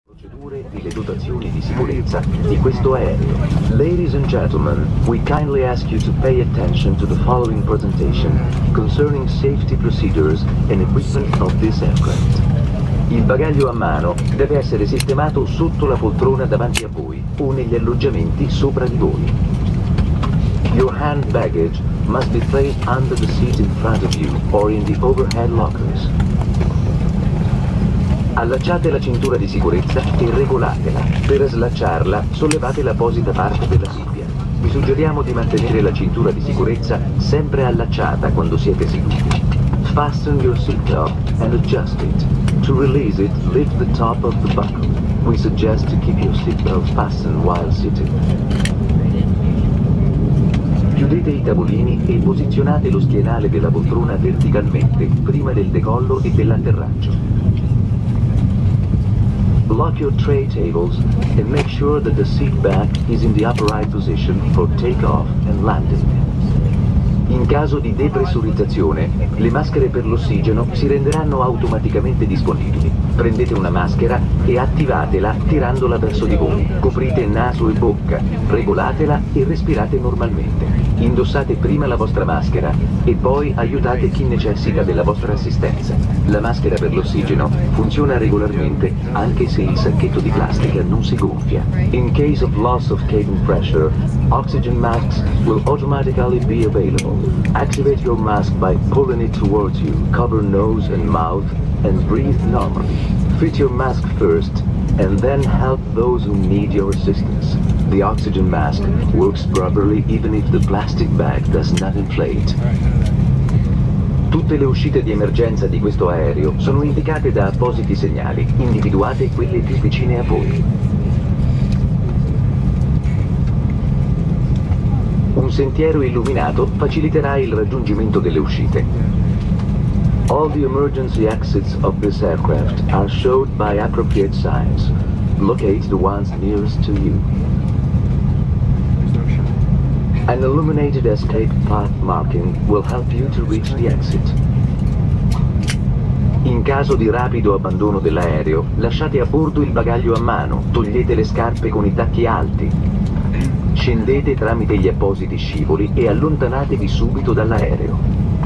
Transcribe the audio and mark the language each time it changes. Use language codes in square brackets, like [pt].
[it] procedure e le dotazioni di sicurezza di questo aereo. [en] Ladies and gentlemen, we kindly ask you to pay attention to the following presentation concerning safety procedures and equipment of this aircraft. [it] Il bagaglio a mano deve essere sistemato sotto la poltrona davanti a voi o negli alloggiamenti sopra di voi. [en] Your hand baggage must be placed under the seat in front of you or in the overhead lockers. [it] Allacciate la cintura di sicurezza e regolatela. Per slacciarla, sollevate l'apposita parte della sabbia. Vi suggeriamo di mantenere la cintura di sicurezza sempre allacciata quando siete seduti. [en] Fasten your seatbelt and adjust it. To release it, lift the top of the buckle. We suggest to keep your seatbelt fastened while sitting. [it] Chiudete i tavolini e posizionate lo schienale della poltrona verticalmente prima del decollo e dell'atterraggio. [en] Lock your tray tables and make sure that the seat back is in the upright position for takeoff and landing. [it] In caso di depressurizzazione, le maschere per l'ossigeno si renderanno automaticamente disponibili. Prendete una maschera e attivatela tirandola verso di voi. Coprite naso e bocca, regolatela e respirate normalmente. Indossate prima la vostra maschera e poi aiutate chi necessita della vostra assistenza. La maschera per l'ossigeno funziona regolarmente anche se il sacchetto di plastica non si gonfia. [en] In case of loss of cabin pressure, oxygen masks will automatically be available. Activate your mask by pulling it towards you. Cover nose and mouth and breathe normally. Fit your mask first and then help those who need your assistance. The oxygen mask works properly even if the plastic bag does not inflate. [it] Tutte le uscite di emergenza di questo aereo sono indicate da appositi segnali. Individuate quelle più vicine a voi. Un sentiero illuminato faciliterà il raggiungimento delle uscite. [en] All the emergency exits of this aircraft are shown by appropriate signs. Locate the ones nearest to you. An illuminated escape path marking will help you to reach the exit. [it] In caso di rapido abbandono dell'aereo, lasciate a bordo il bagaglio a mano, togliete le scarpe con i tacchi alti, scendete tramite gli appositi scivoli e allontanatevi subito dall'aereo.